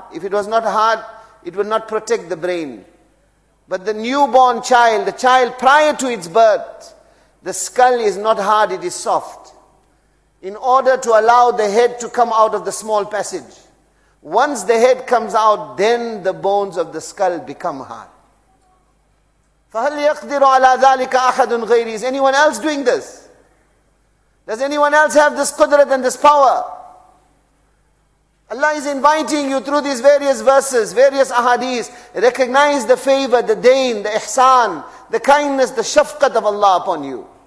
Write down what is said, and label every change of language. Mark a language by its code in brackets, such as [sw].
[en] If it was not hard, it would not protect the brain. But the newborn child, the child prior to its birth, the skull is not hard, it is soft. In order to allow the head to come out of the small passage. Once the head comes out, then the bones of the skull become hard. [ar] فَهَلْ يَقْدِرُ عَلَىٰ ذَٰلِكَ أَحَدٌ غَيْرِي [en] Is anyone else doing this? Does anyone else have this qudrat and this power? Allah is inviting you through these various verses, various ahadith, recognize the favor, the deen, the ihsan, the kindness, the shafqat of Allah upon you.